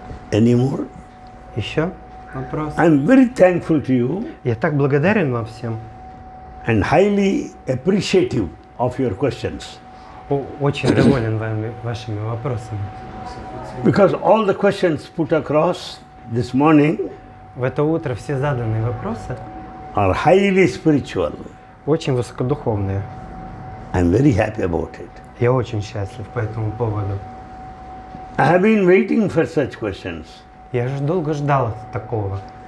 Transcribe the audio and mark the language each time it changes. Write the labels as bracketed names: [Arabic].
[English] Any more? [Russian] Еще? [English] I am very thankful to you. [Russian] Я так благодарен вам всем. [English] And highly appreciative of your questions. [Russian] Очень доволен вами вашими вопросами. [English] Because all the questions put across this morning. [Russian] В это утро все заданные вопросы. [English] Are highly spiritual. [Russian] Очень высокодуховные. [English] I am very happy about it. [Russian] Я очень счастлив по этому поводу. [English] I have been waiting for such questions. [Russian] Я же долго ждал такого.